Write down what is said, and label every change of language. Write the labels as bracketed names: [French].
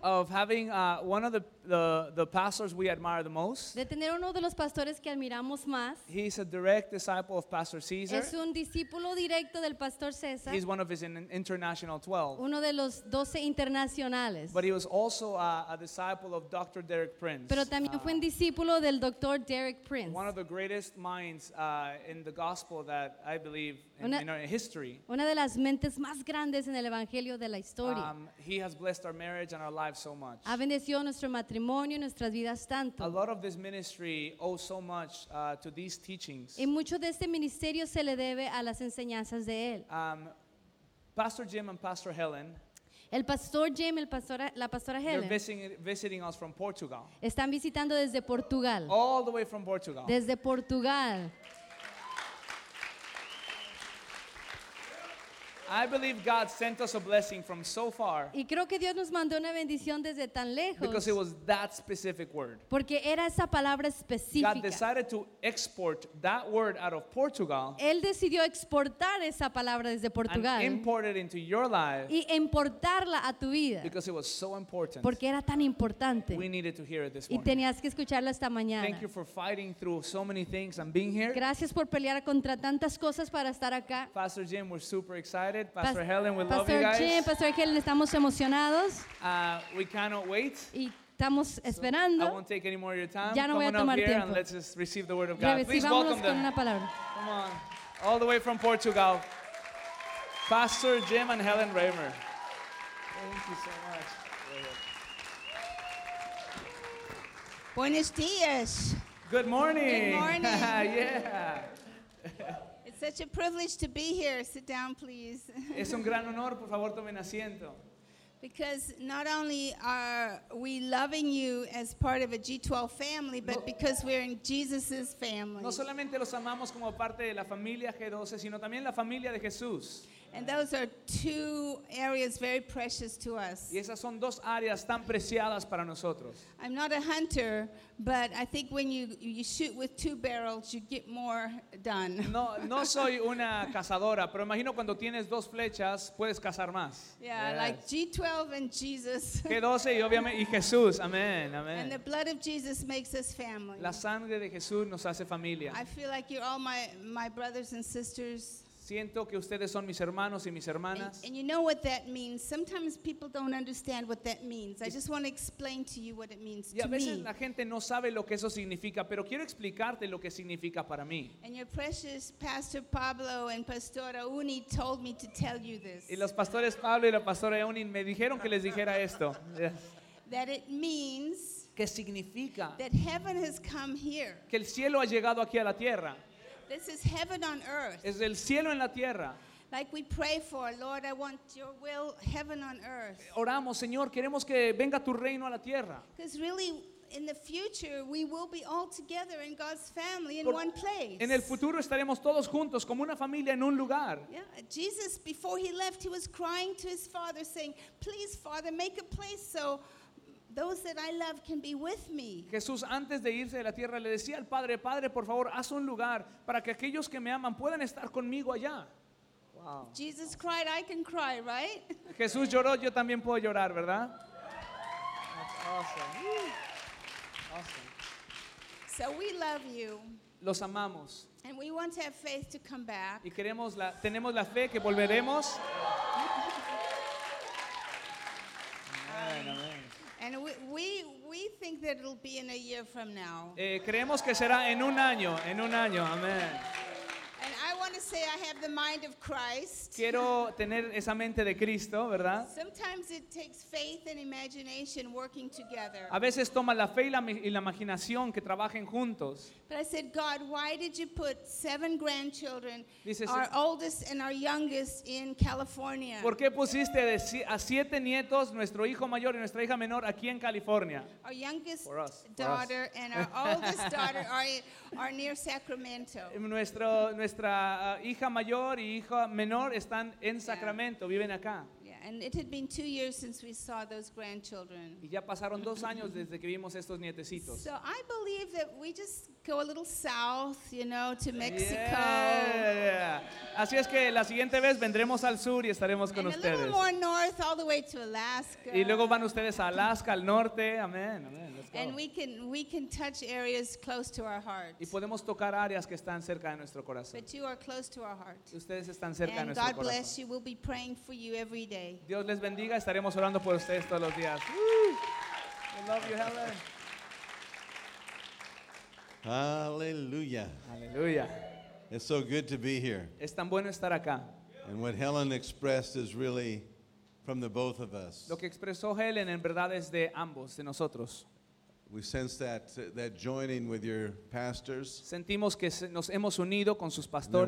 [English] of having one of the pastors we admire the most. [Spanish] De tener uno de los pastores que admiramos más. [English] He's a direct disciple of Pastor Caesar. [Spanish] Es un discípulo directo del Pastor César. [English] He's one of his international 12. [Spanish] Uno de los 12 internacionales. [English] But he was also a disciple of Dr. Derek Prince. [Spanish] Pero también fue un discípulo del Dr. Derek Prince. [English] One of the greatest minds in the gospel that I believe in history. [Spanish] Una de las mentes más grandes en el evangelio de la historia. [English] He has blessed our marriage and our lives so much. [Spanish] Ha bendecido nuestro matrimonio y nuestras vidas tanto. [English] A lot of this ministry owes so much to these teachings. [Spanish] Y mucho de este ministerio se le debe a las enseñanzas de él. [English] Pastor Jim and Pastor Helen. [Spanish] El pastor Jim, la pastora Helen. [English] They're visiting us from Portugal. [Spanish] Están visitando desde Portugal. [English] All the way from Portugal. [Spanish] Desde Portugal. [English] I believe God sent us a blessing from so far. [Spanish] Y creo que Dios nos mandó una bendición desde tan lejos. [English] Because it was that specific word. [Spanish] Porque era esa palabra específica. [English] God decided to export that word out of Portugal. [Spanish] Él decidió exportar esa palabra desde Portugal. [English] And import it into your life. [Spanish] Y importarla a tu vida. [English] Because it was so important. [Spanish] Porque era tan importante. [English] We needed to hear it this [Spanish] y [English] morning. [Spanish] Y tenías que escucharla esta mañana. [English] Thank you for fighting through so many things and being here. [Spanish] Gracias por pelear contra tantas cosas para estar acá. [English] Pastor Jim, we're super excited. Pastor Helen, we love you guys. [Spanish] Jim, Pastor Helen, estamos emocionados. [English] We cannot wait. [Spanish] Y estamos esperando. [English] I won't take any more of your time. [Spanish] Ya no [English] come [Spanish] voy a tomar [English] up here [Spanish] tiempo. [English] And let's just receive the word of God. Please welcome them. [Spanish] Con una palabra. [English] Come on. All the way from Portugal. Pastor Jim and Helen Raymer. Thank you so much. [Spanish] Buenos dias. [English] Good morning. Good morning. Yeah. Such a privilege to be here. Sit down, please. [Spanish] Es un gran honor, por favor, tomen asiento. [English] Because not only are we loving you as part of a G12 family, but because we're in Jesus's family. [Spanish] No solamente los amamos como parte de la familia G12, sino también la familia de Jesús. [English] And those are two areas very precious to us. [Spanish] Y esas son dos áreas tan preciadas para nosotros. [English] I'm not a hunter, but I think when you shoot with two barrels, you get more done. [Spanish] No soy una cazadora, pero imagino cuando tienes dos flechas, puedes cazar más. [English] Yeah, yes. Like G12 and Jesus. [Spanish] G12 y obviamente y Jesús. Amen, amen. [English] And the blood of Jesus makes us family. [Spanish] La sangre de Jesús nos hace familia. [English] I feel like you're all my brothers and sisters. [Spanish] Siento que ustedes son mis hermanos y mis hermanas. [English] And you know what that means. Sometimes people don't understand what that means. I just want to explain to you what it means to me. [Spanish] Y a veces la gente no sabe lo que eso significa, pero quiero explicarte lo que significa para mí. [English] And your precious Pastor Pablo and Pastora Uni told me to tell you this. [Spanish] Y los pastores Pablo y la pastora Uni me dijeron que les dijera esto. [English] That it means [Spanish] que significa [English] that heaven has come here. [Spanish] Que el cielo ha llegado aquí a la tierra. [English] This is heaven on earth. [Spanish] Es el cielo en la tierra. [English] Like we pray for, Lord, I want your will, heaven on earth. [Spanish] Oramos, Señor, queremos que venga tu reino a la tierra. [English] Because really, in the future, we will be all together in God's family in one place. [Spanish] En el futuro estaremos todos juntos como una familia en un lugar. [English] Yeah, Jesus, before he left, he was crying to his father, saying, please, Father, make a place so those that I love can be with me. [Spanish] Jesús, antes de irse de la tierra, le decía al Padre, Padre, por favor, haz un lugar para que aquellos que me aman puedan estar conmigo allá. [English] Wow. Jesus cried, I can cry, right? [Spanish] Jesús lloró, yo también puedo llorar, ¿verdad? [English] That's awesome. So we love you. [Spanish] Los amamos. [English] And we want to have faith to come back. [Spanish] Y queremos la, tenemos la fe que volveremos. [English] And we think that it'll be in a year from now. [Spanish] Creemos que será en un año, amén. [English] And I want to say I have the mind of Christ. [Spanish] Quiero tener esa mente de Cristo, ¿verdad? [English] Sometimes it takes faith and imagination working together. [Spanish] A veces toma la fe y la imaginación que trabajen juntos. [English] But I said, God, why did you put 7 grandchildren, our oldest and our youngest, in California? [Spanish] ¿Por qué pusiste a 7 nietos, nuestro hijo mayor y nuestra hija menor, aquí en California? [English] Our youngest daughter and our oldest daughter are near Sacramento. [Spanish] Nuestra hija mayor y hija menor están en Sacramento, viven acá. [English] Yeah, and it had been 2 years since we saw those grandchildren. [Spanish] Y ya pasaron 2 años desde que vimos estos nietecitos. [English] So I believe that we just go a little south, you know, to Mexico. Yeah, yeah. [Spanish] Así es que la siguiente vez vendremos al sur y estaremos con [English] and [Spanish] ustedes. [English] A little more north, all the way to Alaska. [Spanish] Y luego van ustedes a Alaska, al norte. Amén, amén. [English] Let's go. And we can touch areas close to our hearts. [Spanish] Y podemos tocar áreas que están cerca de nuestro corazón. [English] But you are close to our heart. [Spanish] Ustedes están cerca de nuestro [English] God [Spanish] corazón. [English] And God bless you. We'll be praying for you every day. [Spanish] Dios les bendiga. Estaremos orando por ustedes todos los días. [English] We love you, Helen. Hallelujah. Hallelujah. It's so good to be here. [Spanish] Es tan bueno estar acá. [English] And what Helen expressed is really from the both of us. [Spanish] Lo que expresó Helen en verdad es de ambos, de nosotros. [English] We sense that joining with your pastors. [Spanish] Sentimos que nos hemos unido con sus pastores.